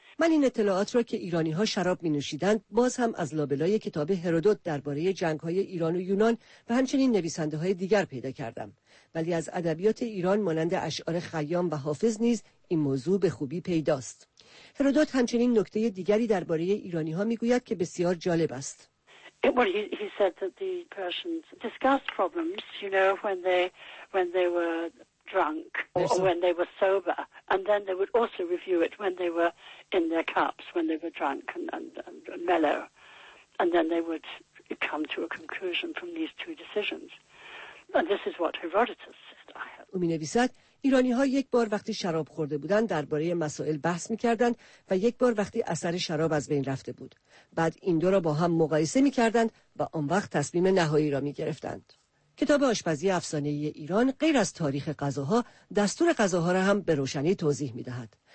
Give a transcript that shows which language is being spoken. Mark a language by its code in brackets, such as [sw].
[fa] من این اطلاعات را که ایرانی ها شراب می نوشیدند باز هم از لابلای کتاب هرودوت درباره جنگ های ایران و یونان و همچنین نویسنده های دیگر پیدا کردم. ولی از ادبیات ایران مانند اشعار خیام و حافظ نیز این موضوع به خوبی پیداست. هرودوت همچنین نکته دیگری درباره ایرانی ها می گوید که بسیار جالب است. [en] He said that the Persians discussed problems, you know, when they were drunk or when they were sober, and then they would also review it when they were in their cups, when they were drunk and mellow, and then they would come to a conclusion from these two decisions. And this is what Herodotus said. [fa] ایرانی ها یک بار وقتی شراب خورده بودند درباره مسائل بحث می‌کردند و یک بار وقتی اثر شراب از بین رفته بود. بعد این دو را با هم مقایسه می‌کردند و آن وقت تصمیم نهایی را می‌گرفتند. کتاب آشپزی افسانه‌ای ایران غیر از تاریخ غذاها، دستور غذاها را هم به روشنی توضیح می‌دهد.